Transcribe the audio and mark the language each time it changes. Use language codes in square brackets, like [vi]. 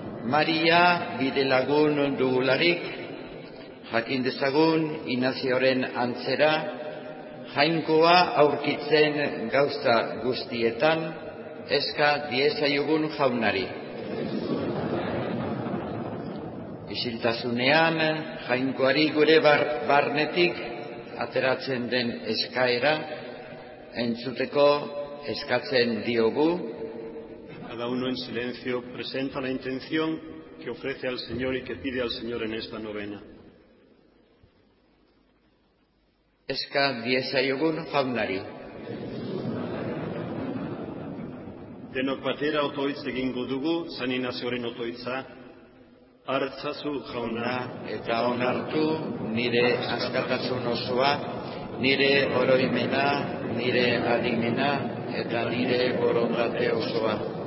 [eu] Maria bidelagun dugularik, jakin dezagun Inazioren antzera, Jainkoa aurkitzen gauza guztietan, eska diezaiogun jaunari. Isiltasunean, Jainkoari gure barnetik ateratzen den eskaera entzuteko eskatzen diogu. [es] Cada uno en silencio presenta la intención que ofrece al Señor y que pide al Señor en esta novena. [eu] eska diezaiogun jaunari. Denok batera otoitz egingo dugu, San Inazioren otoitza, hartzazu jauna eta onartu nire askatasun osoa, nire oroimena, nire adimena eta nire borondate osoa.